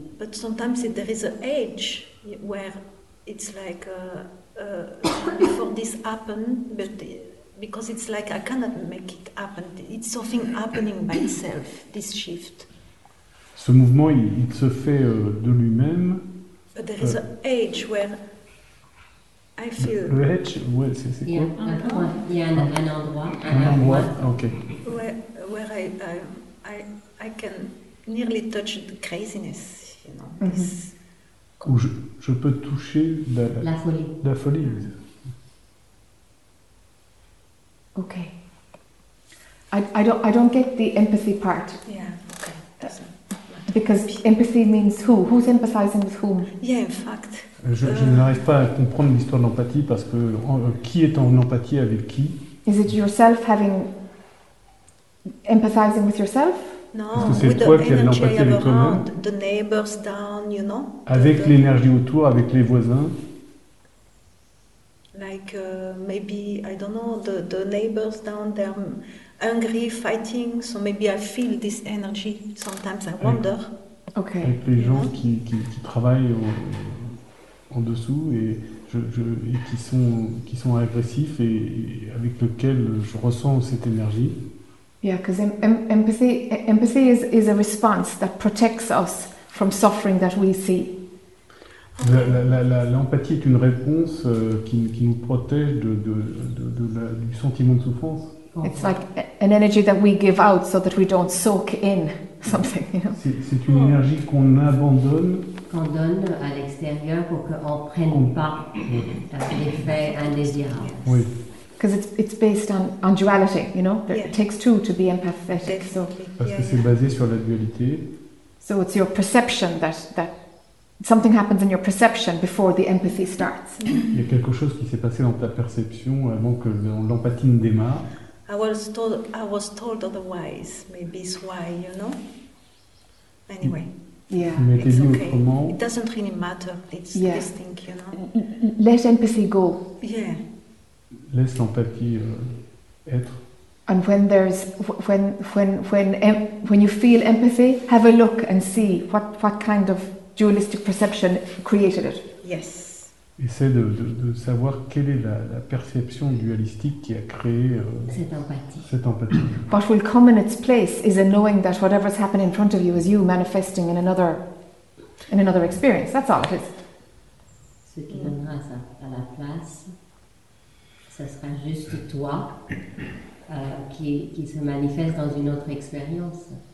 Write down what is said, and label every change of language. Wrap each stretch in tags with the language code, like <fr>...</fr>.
<en>But sometimes there is an age where it's like before this happened, but because it's like I cannot make it happen. It's something happening by itself. This shift.</en> <fr>Ce mouvement, il se fait de lui-même.</fr> <en>But there is an age where I feel. The age,</en> <fr>ouais, c'est quoi? Un endroit.</fr> <en>Okay. Where I can nearly touch the craziness, you know. Mm-hmm. This.</en> <fr>Où je peux toucher la folie.</fr> <en>Okay. I don't get the empathy part. Yeah. Okay. B- because empathy means who? Who's empathizing with whom? Yeah, in fact.</en> <fr>Je n'arrive pas à comprendre l'histoire d'empathie parce que qui est en empathie avec qui?</fr> <en>Is it yourself having empathizing with yourself? No, with the energy around, the neighbors down, you know.</en> <fr>Avec l'énergie autour, avec les voisins.</fr> <en>Like maybe I don't know the neighbors down there. Hungry, fighting, so maybe I feel this energy. Sometimes I wonder. Okay.</en> <fr>Avec les gens qui travaillent en dessous et qui sont agressifs et avec lesquels je ressens cette énergie.</fr> <en>Yeah, because empathy is a response that protects us from suffering that we see.</en> <fr>L'empathie est une réponse qui nous protège du sentiment de souffrance.</fr> <en>It's like an energy that we give out so that we don't soak in something. You know?</en> <fr>C'est une énergie qu'on abandonne. Qu'on donne à l'extérieur pour qu'on ne prenne pas l'effet indésirable. Oui.</fr> <en>Because it's based on duality, you know. Yeah. It takes two to be empathetic. So.</en> <fr>Parce que c'est basé sur la dualité.</fr> <en>So it's your perception that something happens in your perception before the empathy starts.</en> <fr>Il y a quelque chose qui s'est passé dans ta perception avant que l'empathie ne démarre.</fr> <en>I was told otherwise. Maybe it's why, you know. Anyway, yeah, it's okay.</en> <fr>Autrement.</fr> <en>It doesn't really matter. It's this thing, you know. Let empathy go. Yeah.</en> <fr>Laisse l'empathie être.</fr> <en>And when you feel empathy, have a look and see what kind of dualistic perception created it. Yes.</en> <fr>Essaie de savoir quelle est la perception dualistique qui a créé cette empathie.</fr> <en>What will come in its place is a knowing that whatever's happening in front of you is you manifesting in another experience. That's all it is.</en> <fr>Ce qui donnera à la place, ça sera juste toi qui se manifeste dans une autre expérience.</fr>